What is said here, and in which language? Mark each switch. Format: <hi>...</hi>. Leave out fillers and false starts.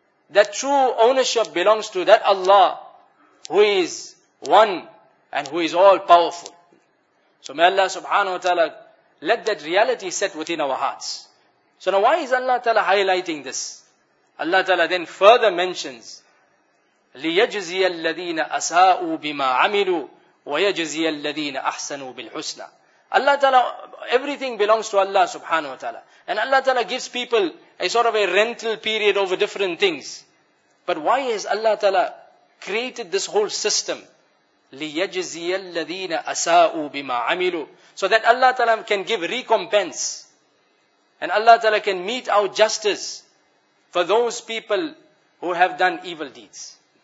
<en>That true ownership belongs to that Allah who is one and who is all powerful. So may Allah subhanahu wa ta'ala let that reality set within our hearts. So now why is Allah Ta'ala highlighting this? Allah Ta'ala then further mentions,</en> <ar>لِيَجْزِيَ الَّذِينَ أَسَاءُوا بِمَا عَمِلُوا وَيَجْزِيَ الَّذِينَ أَحْسَنُوا بِالْحُسْنَى.</ar> <en>Allah Ta'ala, everything belongs to Allah subhanahu wa ta'ala. And Allah Ta'ala gives people a sort of a rental period over different things. But why has Allah Ta'ala created this whole system?</en> <ar>لِيَجْزِيَ الَّذِينَ أَسَاءُوا بِمَا عَمِلُوا.</ar> <en>So that Allah Ta'ala can give recompense. And Allah Ta'ala can mete out justice for those people who have done evil deeds.</en>